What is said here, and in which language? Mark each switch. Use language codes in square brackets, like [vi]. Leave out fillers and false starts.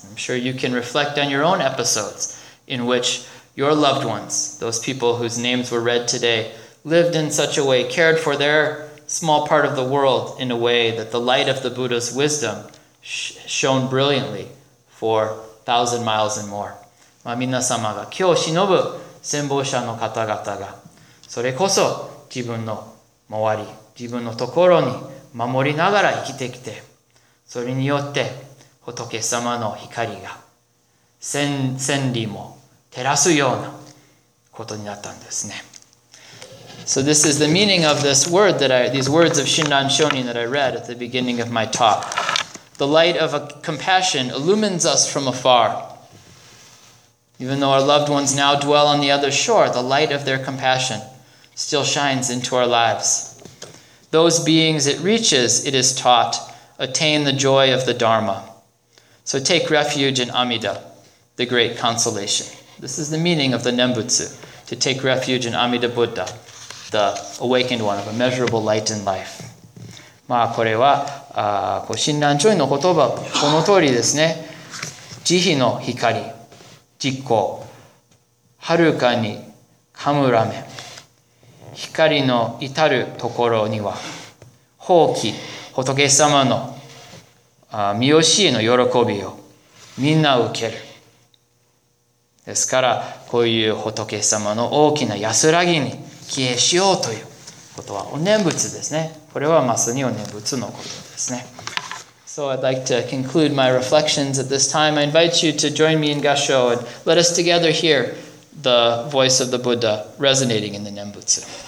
[en] I'm sure you can reflect on your own episodes in which your loved ones, those people whose names were read today, lived in such a way, cared for their small part of the world in a way that the light of the Buddha's wisdom shone brilliantly for 1,000 miles and more. [ja] 皆様が今日忍ぶ先導者の方々が、それこそ自分の周り、自分のところに守りながら生きてきて、それによって仏様の光が千里も照らすようなことになったんですね。 [en] So this is the meaning of this word that I, these words of Shinran Shonin that I read at the beginning of my talk. The light of a compassion illumines us from afar. Even though our loved ones now dwell on the other shore, the light of their compassion still shines into our lives. Those beings it reaches, it is taught, attain the joy of the Dharma. So take refuge in Amida, the great consolation. This is the meaning of the Nembutsu, to take refuge in Amida Buddha, the awakened one of a measurable light in life. [ja] これは、親鸞聖人の言葉、この通りですね。慈悲の光、実行、はるかにかむらめ、光の至るところには、法器、仏様の御教えの喜びをみんな受ける。ですから、こういう仏様の大きな安らぎに帰依しようということは、お念仏ですね。これはまさにお念仏のことですね。 [en] So I'd like to conclude my reflections at this time. I invite you to join me in Gassho and let us together hear the voice of the Buddha resonating in the Nembutsu.